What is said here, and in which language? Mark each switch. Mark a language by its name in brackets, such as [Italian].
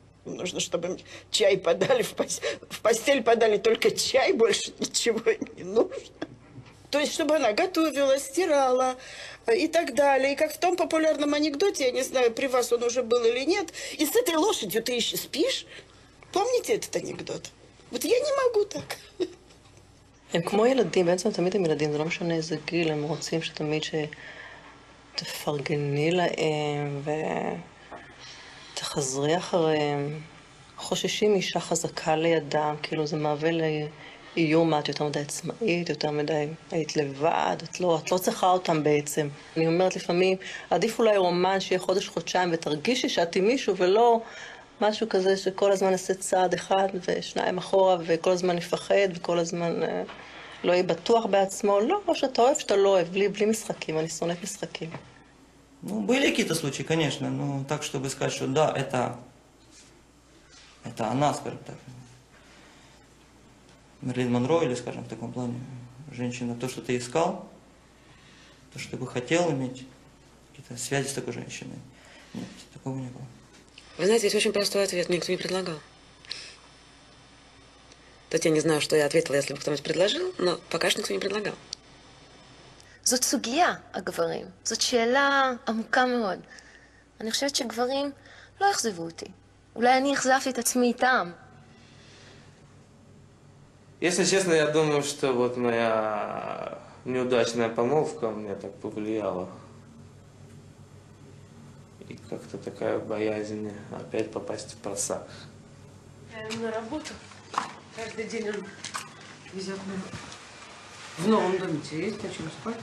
[Russian] Нужно, чтобы чай подали, в постель подали только чай, больше ничего им не нужно. То есть, чтобы она готовила, стирала и так далее. И как в том популярном анекдоте, я не знаю, при вас он уже был или нет, и с этой лошадью ты еще спишь? Помните этот анекдот? Вот я не могу так. [Hebrew] הם כמו ילדים, בעצם תמיד הם ילדים, זה לא משנה איזה גיל, הם רוצים שתמיד שתפרגני להם ותחזרי אחריהם. חוששים אישה חזקה לידם, כאילו זה מהווה לאיום, את יותר מדי עצמאית, יותר מדי היית לבד, את לא צריכה אותם בעצם. אני אומרת לפעמים, עדיף אולי רומן שיהיה חודש חודשיים ותרגישי שאת עם מישהו ולא משהו כזה שכל הזמן עשה צעד אחד ושניים אחורה וכל הזמן יפחד וכל הזמן לא יהיה בטוח בעצמו. לא, או שאתה אוהב, שאתה לא אוהב, בלי משחקים, אני שונאת משחקים. [Russian] Ну, были какие-то случаи, конечно, но так, чтобы сказать, что да, это она, скажем так. Мерлин Монро или, скажем, в таком плане, женщина, то, что ты искал, то, что ты бы хотел иметь, какие-то связи с такой женщиной, нет, такого не было. Вы знаете, есть очень простой ответ, мне никто не предлагал. То есть я не знаю, что я ответила, если бы кто-нибудь предложил, но пока что никто не предлагал. [Hebrew] זאת סוגיה, הגברים. זאת שאלה עמוקה מאוד. אני חושבת שגברים לא יחזבו אותי. אולי אני אכזבתי את עצמי איתם. [Russian] Если честно, я думаю, что вот моя неудачная помолвка мне так повлияла. И как-то такая боязнь опять попасть в просак. Я на работу. Каждый день он везет меня. В новом доме тебе есть о чем спать?